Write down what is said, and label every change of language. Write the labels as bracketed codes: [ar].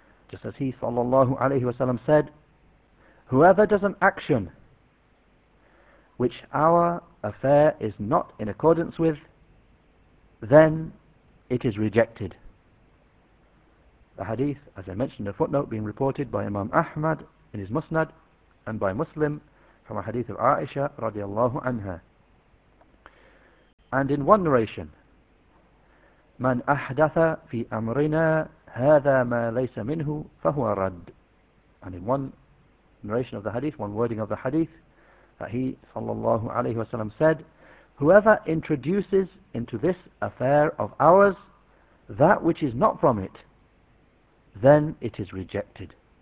[en] Just as he sallallahu alayhi wa sallam said, whoever does an action which our affair is not in accordance with, then it is rejected. The hadith, as I mentioned, a footnote being reported by Imam Ahmad in his Musnad and by Muslim from a hadith of Aisha radiallahu anha. [ar] And in one narration, مَنْ أَحْدَثَ فِي أَمْرِنَا هَذَا مَا لَيْسَ مِنْهُ فَهُوَ رَدْ. [en] And in one narration of the hadith, one wording of the hadith, that he, sallallahu alayhi wa sallam, said, whoever introduces into this affair of ours that which is not from it, then it is rejected.